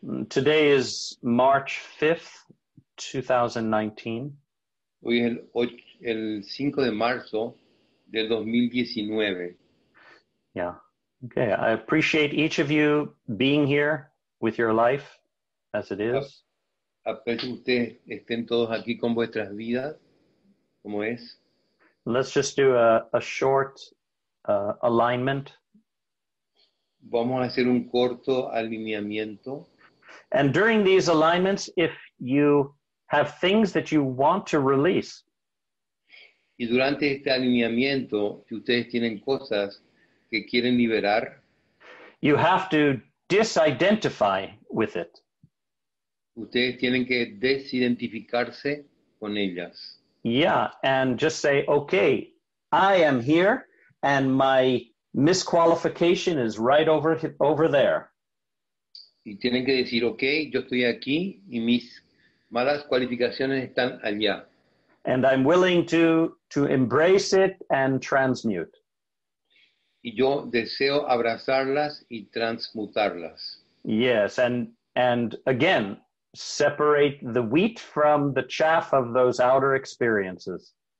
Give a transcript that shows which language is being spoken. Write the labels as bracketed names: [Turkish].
[English] Today is March 5th, 2019. [Spanish] Hoy es el 5 de marzo del 2019. [English] Yeah. Okay. I appreciate each of you being here with your life as it is. [Spanish] Aprecio que ustedes estén todos aquí con vuestras vidas, como es. [English] Let's just do a short alignment. [Spanish] Vamos a hacer un corto alineamiento. [English] And during these alignments, if you have things that you want to release. [Spanish] Y durante este alineamiento, si ustedes tienen cosas que quieren liberar. [English] You have to disidentify with it. [Spanish] Ustedes tienen que desidentificarse con ellas. [English] Yeah, and just say, okay, I am here, and my misqualification is right over there. [Spanish] Y tienen que decir, okay, yo estoy aquí, y mis malas cualificaciones están allá. [English] And I'm willing to embrace it and transmute. [Spanish] Y yo deseo abrazarlas y transmutarlas. [English] Yes, and again, separate the wheat from the chaff of those outer experiences.